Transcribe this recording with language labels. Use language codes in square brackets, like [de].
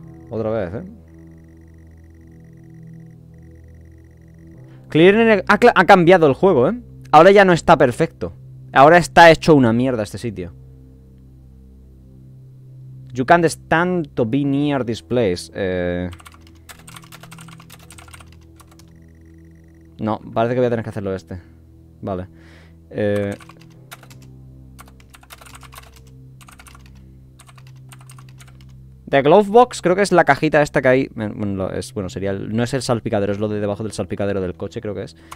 [es] Otra vez, ¿eh? Ha cambiado el juego, ¿eh? Ahora ya no está perfecto. Ahora está hecho una mierda este sitio. [en] You can't stand to be near this place. [es] No, parece que voy a tener que hacerlo este. Vale. [en] The glove box, [es] creo que es la cajita esta que hay. Bueno, es, bueno, sería el, no es el salpicadero, es lo de debajo del salpicadero del coche, creo que es.